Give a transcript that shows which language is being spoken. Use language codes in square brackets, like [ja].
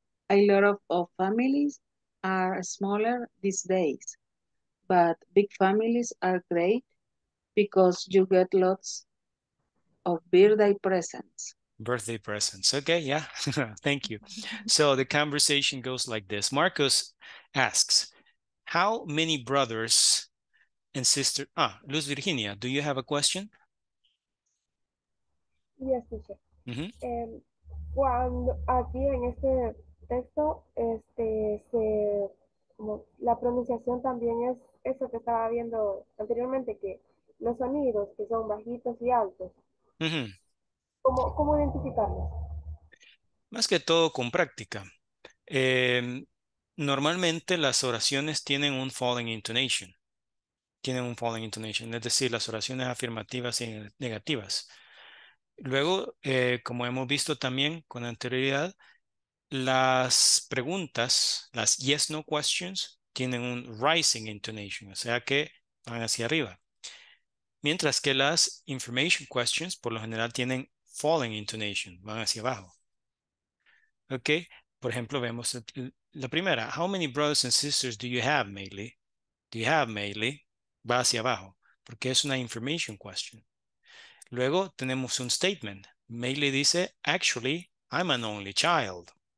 [en] A lot of families are smaller these days, but big families are great because you get lots of birthday presents. Birthday presents. Okay, yeah. Thank you. So the conversation goes like this. Marcos asks, how many brothers and sister? Ah, Luz Virginia, do you have a question? Yes, teacher. Mm-hmm. [es] Cuando aquí en este texto, como la pronunciación también es eso que estaba viendo anteriormente, que los sonidos que son bajitos y altos. Mm-hmm. ¿Cómo identificarlos? Más que todo con práctica. Normalmente las oraciones tienen un falling intonation. Tienen un falling intonation, es decir, las oraciones afirmativas y negativas. Luego, como hemos visto también con anterioridad, las preguntas, las yes-no questions, tienen un rising intonation, o sea que van hacia arriba. Mientras que las information questions, por lo general, tienen falling intonation, van hacia abajo. Ok, por ejemplo, vemos la primera. [en] How many brothers and sisters do you have, Mei Li? Do you have, Mei Li? [es] Va hacia abajo, porque es una information question. Luego tenemos un statement. [en] Mei Li [es] dice, [en] actually, I'm an only child.